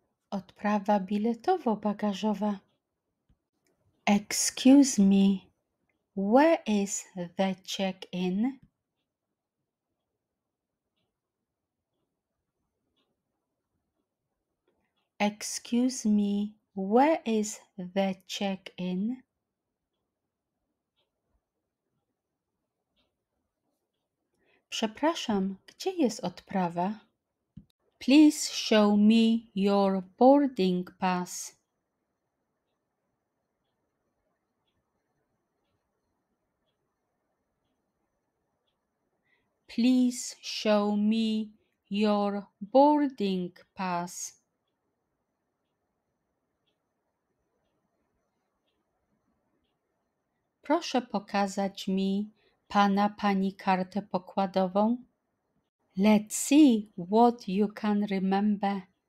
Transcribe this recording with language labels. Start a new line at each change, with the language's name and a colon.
Polish: Odprawa biletowo-bagażowa.
English: Excuse me, where is the check-in? Excuse me, where is the check-in?
Polish: Przepraszam, gdzie jest odprawa?
English: Please show me your boarding pass. Please show me your boarding pass.
Polish: Proszę pokazać mi pana, pani kartę pokładową.
English: Let's see what you can remember.